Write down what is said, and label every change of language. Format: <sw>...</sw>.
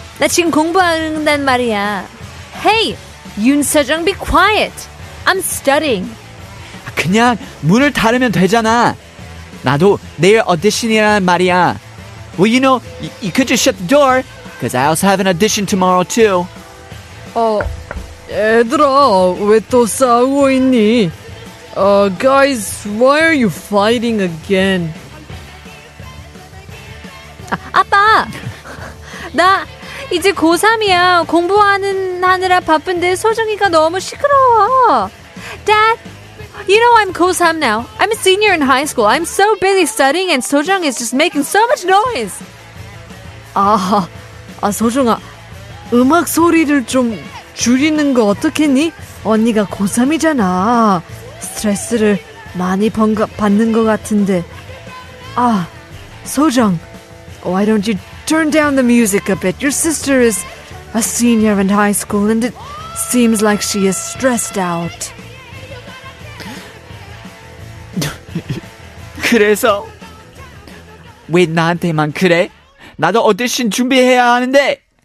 <ko>나 지금 공부한단 말이야.</ko> <en>Hey, 윤소정, be quiet. I'm studying.</en> <ko>그냥 문을 닫으면 되잖아. 나도 내일 audition이란 말이야.</ko> <en>Well, you know, you could just shut the door, because I also have an audition tomorrow, too.</en> <ko>얘들아, 왜 또 싸우고 있니?</ko> <en>Guys, why are you fighting again?</en> <ko>아빠, 나 이제 고3이야. 공부하는 하느라 바쁜데 소정이가 너무 시끄러워.</ko> <en>Dad, you know I'm 고3 now. I'm a senior in high school. I'm so busy studying and Sojung is just making so much noise.</en> <ko>아, 소정아. 음악 소리를 좀 줄이는 거 어떻겠니? 언니가 고3이잖아. 스트레스를 많이 받는 거 같은데. 아, 소정.</ko> <en>Why don't you turn down the music a bit? Your sister is a senior in high school and it seems like she is stressed out.</en> <ko>그래서 왜 나한테만 그래? 나도 오디션 준비해야 하는데.</ko>